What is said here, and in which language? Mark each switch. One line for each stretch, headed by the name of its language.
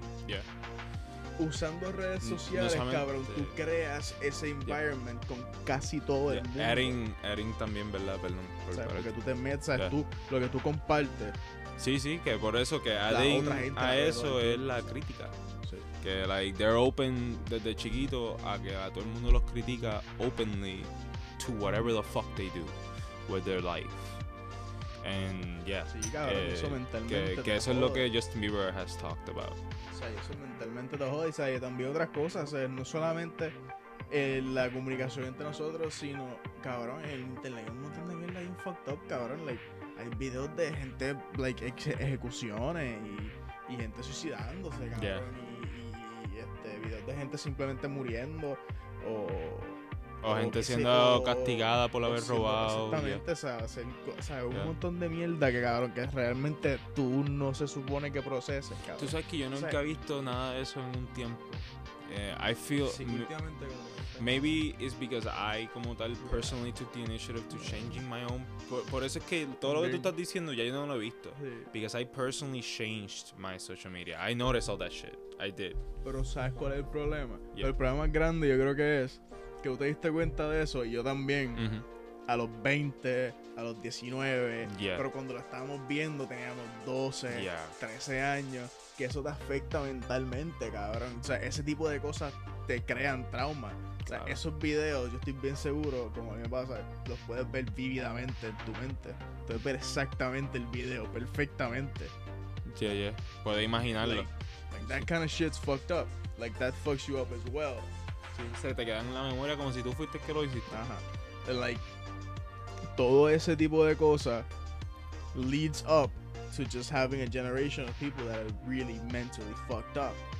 English: Yeah.
Spanish: Usando redes sociales, cabrón, tú creas ese environment con casi todo el mundo.
English: Adding
Spanish: también, ¿verdad? Perdón. Porque tú te metes, tú, lo que tú compartes. Sí, sí, que por eso que
English: adding
Spanish: a eso es la crítica. Sí. Que,
English: like, they're open
Spanish: desde chiquito a que a todo el mundo los critica
English: openly to whatever the fuck they do with their life. And, yeah.
Spanish: Sí, cabrón, eso mentalmente. Que eso es lo que Justin Bieber
English: has talked about.
Spanish: O sea, eso mentalmente te jode, y también otras cosas. O sea, no solamente la comunicación entre nosotros, sino, cabrón, el internet hay un montón de mierda bien
English: fucked up,
Spanish: cabrón. Like, hay videos de gente, like, ejecuciones y gente suicidándose, cabrón.
English: Yeah.
Spanish: Y videos de gente simplemente muriendo o gente siendo castigada por haber robado. Exactamente, yeah. o sea, un montón de mierda que, cabrón, que realmente tú no se supone que proceses, cabrón. Tú sabes que yo nunca he visto nada de eso en un tiempo.
English: I feel... Maybe it's because I,
Spanish: como tal,
English: personally took the initiative to changing my own...
Spanish: Por eso es que todo lo que tú estás diciendo ya yo no lo he visto. Sí.
English: Because I personally changed my social media. I noticed all that shit. I did.
Spanish: Pero ¿sabes cuál es el problema?
English: Yep.
Spanish: El problema más grande yo creo que es... Que usted diste cuenta de eso y yo también a los 20, a los 19, pero cuando lo estábamos viendo teníamos 12, 13 años, que eso te afecta mentalmente, cabrón. O sea, ese tipo de cosas te crean trauma. O sea, esos videos, yo estoy bien seguro, como a mí me pasa, los puedes ver vívidamente en tu mente. Puedes ver exactamente el video, perfectamente. Puedes imaginarlo.
English: Like, that kind of shit's fucked up. Like, that fucks you up as well.
Spanish: Se te queda en la memoria como si tú fuiste el que lo hiciste. Ajá.
English: Like,
Spanish: todo ese tipo de cosas
English: leads up to just having a generation of people that are really mentally fucked up.